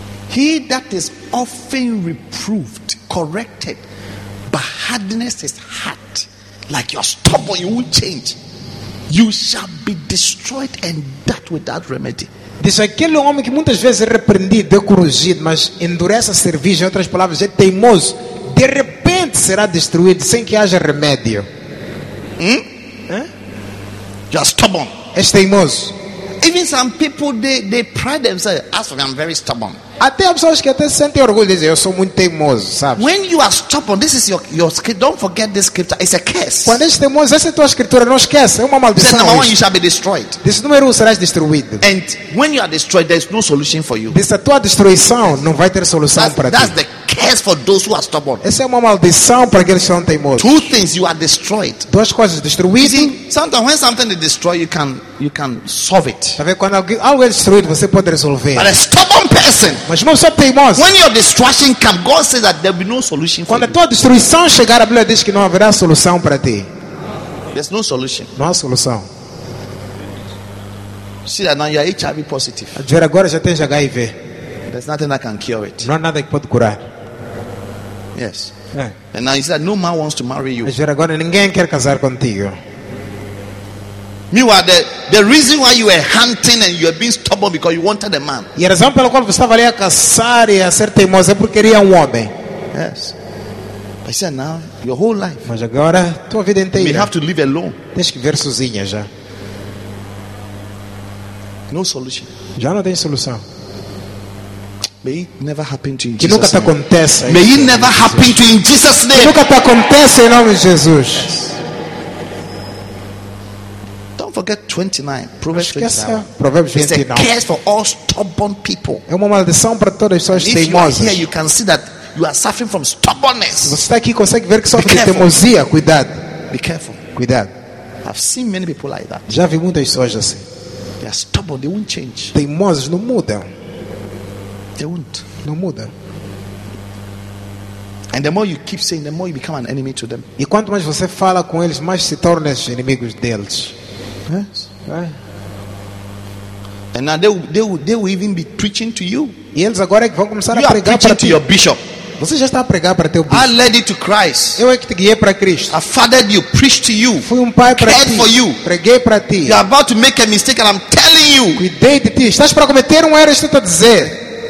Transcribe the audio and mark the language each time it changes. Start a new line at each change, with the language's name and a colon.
English: He that is often reproved, corrected, but hardness is heart, like you're stubborn, you won't change. You shall be destroyed, and that without remedy.
Portuguese: Diz aquele homem que muitas vezes é repreendido, é corrigido, mas endurece a cerviz, em outras palavras, é teimoso, de repente será destruído sem que haja remédio.
English: Hum? You are stubborn.
Portuguese: És teimoso.
English: Even some people they pride themselves. As for me, I'm very stubborn.
Portuguese: Até as pessoas que até sentem orgulho dizem, eu sou muito teimoso, sabe?
English: When you are stubborn, this is your script. Don't forget this script. It's a curse.
Portuguese: Quando és teimoso, essa é tua escritura, não esquece. É uma maldição.
English: Says, number one, you shall be destroyed.
Portuguese: Diz, número um, serás destruído.
English: And when you are destroyed, there is no solution for you.
Portuguese: Diz, a tua destruição não vai ter solução para ti.
English: That's the curse for those who are stubborn.
Portuguese: Essa é uma maldição para aqueles que são teimosos.
English: Two things, you are destroyed.
Portuguese: Duas coisas, destruído.
English: See, sometimes when something is destroyed, you can solve it.
Portuguese: Tá vendo? Quando algo é destruído, você pode resolver.
English: But a stubborn person.
Portuguese: Mas não sou teimoso.
English: When your destruction comes, God says that there will be no solution.
Portuguese: Quando a tua destruição chegar, a Bíblia diz que não haverá solução para ti.
English: There's no solution.
Portuguese: Não há solução.
English: See that now you are HIV positive.
Portuguese: A ver, agora já tens HIV.
English: There's nothing that can cure it.
Portuguese: Não há nada que pode curar.
English: Yes.
Portuguese: É.
English: And now he said no man wants to marry you.
Portuguese: A ver, agora ninguém quer casar contigo.
English: Meanwhile, the reason why you were hunting and you were being stubborn because you wanted a man.
Portuguese: E a razão pela qual você estava ali a caçar e a ser teimoso é porque queria um homem.
English: Yes. I said now your whole life.
Portuguese: Mas agora tua vida inteira.
English: You have to live alone.
Portuguese: Tens que viver sozinha já.
English: No solution.
Portuguese: Já não tem solução.
English: May it never happen to you.
Portuguese: Que nunca te aconteça.
English: May it never happen to you in Jesus' name.
Portuguese: Que nunca te aconteça em nome de Jesus.
English: Forget 29. Proverbs 29. Proverbs 29. It's a curse for all stubborn people.
Portuguese: É uma maldição para todas as pessoas teimosas.
English: If you are here, you can see that you are suffering from stubbornness.
Portuguese: Você está aqui, consegue ver que sofre de teimosia. Cuidado.
English: Be careful.
Portuguese: Cuidado.
English: I've seen many people like that.
Portuguese: Já vi muitas pessoas assim.
English: They are stubborn. They won't change.
Portuguese: Teimosos não mudam.
English: They won't.
Portuguese: Não mudam.
English: And the more you keep saying, the more you become an enemy to them.
Portuguese: E quanto mais você fala com eles, mais se tornas inimigos deles.
English: Yes. Right. And now they will even be preaching to you.
Portuguese: E eles agora é que vão começar
English: you
Portuguese: a pregar para
English: your bishop.
Portuguese: Você já está a pregar para teu bispo.
English: I led you to Christ.
Portuguese: Eu é que te guiei para Cristo.
English: I fathered you, preached to you.
Portuguese: Fui um pai para ti.
English: For you.
Portuguese: Preguei para ti.
English: You are about to make a mistake and I'm telling you.
Portuguese: Cuidei de ti. Estás para cometer um erro, estou a dizer.